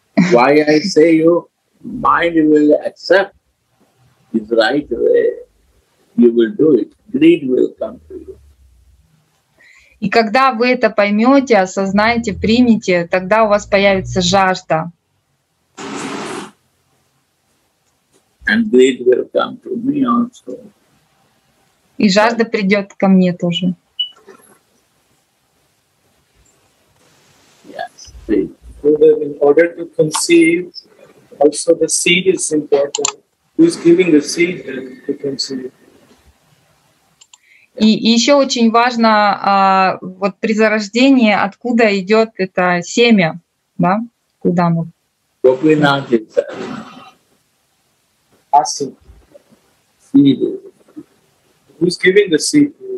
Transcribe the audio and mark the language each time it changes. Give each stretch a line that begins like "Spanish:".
English: Why I say you mind will accept is right away. You will do it. Greed will come to you.
Russian: И когда вы это поймете, осознаете, примете, тогда у вас появится жажда.
English: And greed will come to me also.
Russian: И жажда придет ко мне тоже.
English: Yes, please. In order to conceive, also the seed is important. Who's giving the seed to conceive?
Russian: И еще очень важно вот при зарождении, откуда идет это семя, да? Куда оно? Гопинатх.
English: Awesome. Who's giving the seed?